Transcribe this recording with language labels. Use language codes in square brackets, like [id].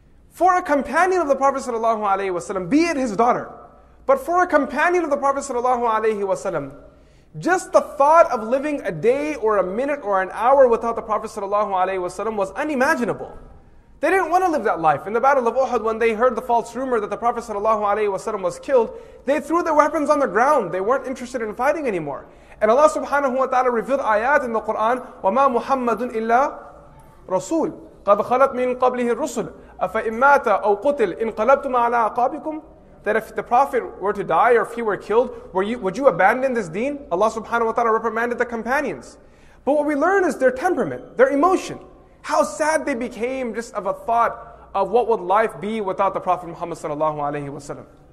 [en] For a companion of the Prophet sallallahu alaihi wasallam, be it his daughter, but for a companion of the Prophet sallallahu alaihi wasallam, just the thought of living a day or a minute or an hour without the Prophet sallallahu alaihi wasallam was unimaginable. They didn't want to live that life. In the Battle of Uhud, when they heard the false rumor that the Prophet sallallahu alaihi wasallam was killed, they threw their weapons on the ground. They weren't interested in fighting anymore. And Allah subhanahu wa ta'ala revealed ayat in the Quran, [ar] وَمَا مُحَمَّدٌ إِلَّا رَسُولٌ قَدْ خَلَتْ مِنْ قَبْلِهِ الرُّسُلُ أَفَإِنْ مَاتَ أَوْ قُتِلْ إِنْ قَلَبْتُمَ عَلَىٰ أَعْقَابِكُمْ. [en] That if the Prophet were to die or if he were killed, would you abandon this deen? Allah subhanahu wa ta'ala reprimanded the companions. But what we learn is their temperament, their emotion. How sad they became just of a thought of what would life be without the Prophet Muhammad sallallahu alaihi wasallam.